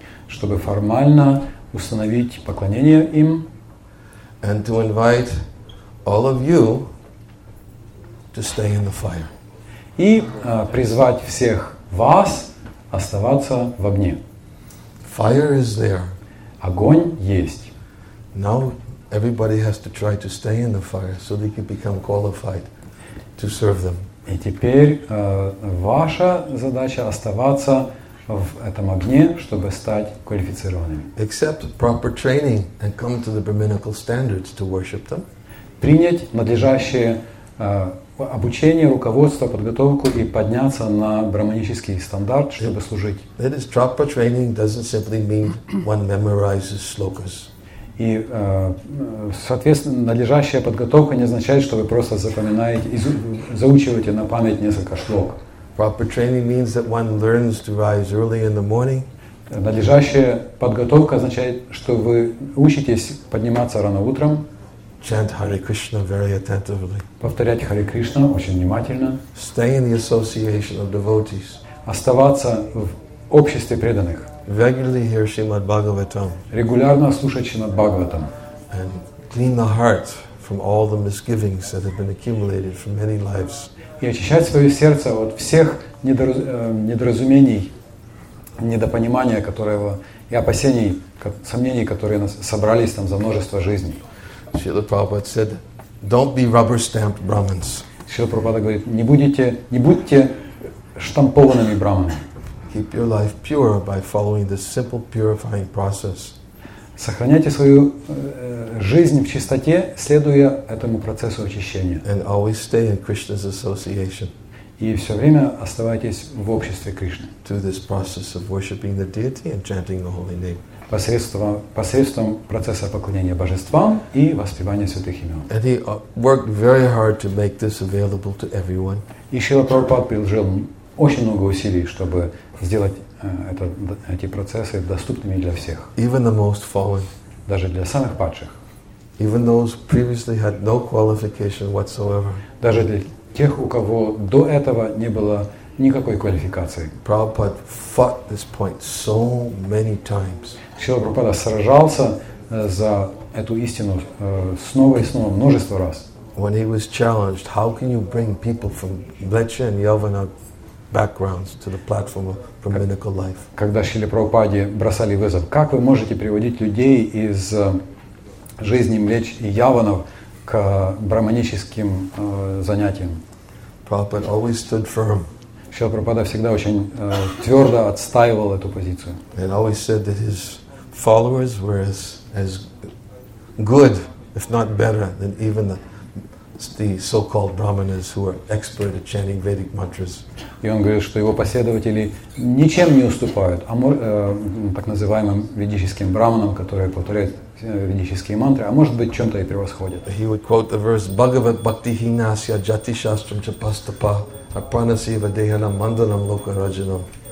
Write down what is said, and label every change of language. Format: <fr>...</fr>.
<ru>Чтобы формально установить поклонение им.</ru> <en>And to invite all of you to stay in the fire.</en> <ru>И призвать всех вас оставаться в огне.</ru> <en>Fire is there.</en> <ru>Огонь есть.</ru> <en>Now everybody has to try to stay in the fire so they can become qualified to serve them.</en> <ru>И теперь ваша задача оставаться в этом огне, чтобы стать квалифицированными.</ru> <en>Accept proper training and come to the brahminical standards to worship them.</en> <ru>Принять надлежащее обучение, руководство, подготовку и подняться на брахманический стандарт, чтобы служить.</ru> <en>That is proper training doesn't simply mean one memorizes slokas.</en> <ru>И, соответственно, надлежащая подготовка не означает, что вы просто запоминаете, заучиваете на память несколько шлок.</ru> <en>Proper training means that one learns to rise early in the morning.</en> <ru>Надлежащая подготовка означает, что вы учитесь подниматься рано утром.</ru> <en>Chant Hare Krishna very attentively.</en> <ru>Повторять Hare Krishna очень внимательно.</ru> <en>Stay in the association of devotees.</en> <ru>Оставаться в обществе преданных.</ru> <en>Regularly hear Srimad Bhagavatam.</en> <ru>Регулярно слушать Шримад Бхагаватам.</ru> <en>And clean the heart from all the misgivings that have been accumulated for many lives.</en> <ru>И очищать свое сердце от всех недоразумений, недопонимания, которого, и опасений, сомнений, которые нас собрались там за множество жизней.</ru> <en>Шрила Прабхупада said, "Don't be rubber-stamped Brahmins."</en> <ru>Шрила Прабхупада говорит, не будьте штампованными брахманами.</ru> <en>Keep your life pure by following this simple purifying process.</en> <ru>Сохраняйте свою жизнь в чистоте, следуя этому процессу очищения.</ru> <en>And always stay in Krishna's association.</en> <ru>И все время оставайтесь в обществе Кришны.</ru> <en>Through this process of worshiping the deity and chanting the holy name.</en> <ru>Посредством процесса поклонения божествам и воспевания святых имен.</ru> <en>And he worked very hard to make this available to everyone.</en> <ru>И Шрила Прабхупада приложил очень много усилий, чтобы сделать эти процессы доступными для всех.</ru> <en>Even the most fallen.</en> <ru>Даже для самых падших.</ru> <en>Even those previously had no qualification whatsoever.</en> <ru>Даже для тех, у кого до этого не было никакой квалификации.</ru> <en>Prabhupada fought this point so many times.</en> <ru>Шрила Прабхупада сражался за эту истину снова и снова, множество раз.</ru> <en>When he was challenged, how can you bring people from Vlecha and Yavana backgrounds to the platform of brahminical life?</en> <ru>Когда Шрила Прабхупаде бросали вызов, как вы можете приводить людей из жизни Млеч и Яванов к брахманическим занятиям?</ru> <en>Prabhupada always stood firm.</en> <ru>Шрила Прабхупада всегда очень твердо отстаивал эту позицию.</ru> <en>And always said that his followers were as good, if not better, than even the so-called brahmanas who are expert at chanting Vedic mantras.</en> <ru>И он говорит, что его последователи ничем не уступают так называемым ведическим брахманам, которые повторяют ведические мантры, а может быть, чем-то и превосходят.</ru> <en>He would quote the verse</en> <sa>Bhagavat Bhakti Hinasya Jati Shastram Chapastapa Apranasiva Dehana Mandalam Loka Rajanam.</sa>